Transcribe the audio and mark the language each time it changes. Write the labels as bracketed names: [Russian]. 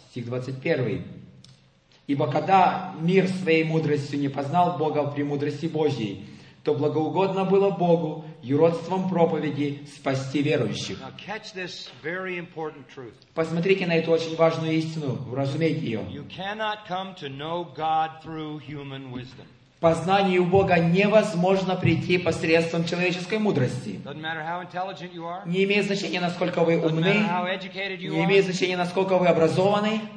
[Russian] Стих 21. «Ибо когда мир своей мудростью не познал Бога в премудрости Божьей, то благоугодно было Богу юродством проповеди спасти верующих». [English] Now catch this very important truth. [Russian] Посмотрите на эту очень важную истину, вразумейте ее. [English] You cannot come to know God through human wisdom. [Russian] Познанию Бога невозможно прийти посредством человеческой мудрости. [English] Doesn't matter how intelligent you are. [Russian] Не имеет значения, насколько вы умны. [English] Doesn't matter how educated you [Russian] are. Не имеет значения, насколько вы образованы.